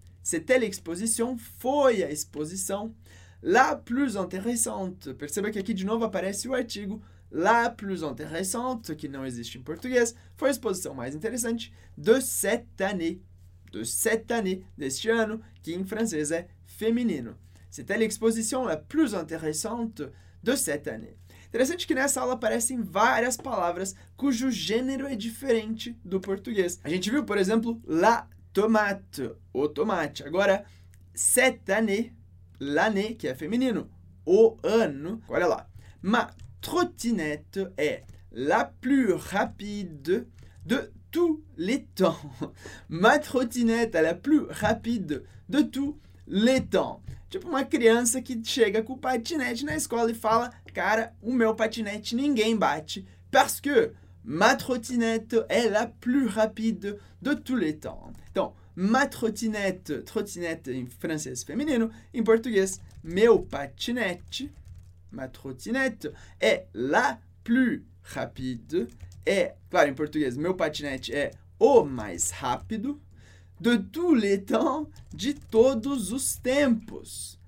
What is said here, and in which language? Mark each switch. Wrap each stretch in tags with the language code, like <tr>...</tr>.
<fr>C'était l'exposition,</fr> <pt>foi a exposição</pt> <fr>la plus intéressante.</fr> <pt>Perceba que aqui de novo aparece o artigo</pt> <fr>la plus intéressante,</fr> <pt>que não existe em português. Foi a exposição mais interessante</pt> <fr>de cette année. De cette année,</fr> <pt>deste ano, que em francês é feminino.</pt> <fr>C'était l'exposition la plus intéressante de cette année.</fr> <pt>Interessante que nessa aula aparecem várias palavras cujo gênero é diferente do português. A gente viu, por exemplo, la tomate, o tomate. Agora,</pt> <fr>cette année, l'année,</fr> <pt>que é feminino, o ano. Olha lá.</pt> <fr>Ma trottinette é la plus rapide de tous les temps. Ma trottinette é la plus rapide de tous les temps.</fr> <pt>Tipo uma criança que chega com o patinete na escola e fala: cara, o meu patinete ninguém bate.</pt> <fr>Parce que ma trottinette est la plus rapide de tous les temps.</fr> <pt>Então, ma trottinette, trottinette em francês feminino, em português, meu patinete,</pt> <fr>ma trottinette est la plus rapide,</fr> <pt>é, claro, em português, meu patinete é o mais rápido,</pt> <fr>de tous les temps,</fr> <pt>de todos os tempos.</pt>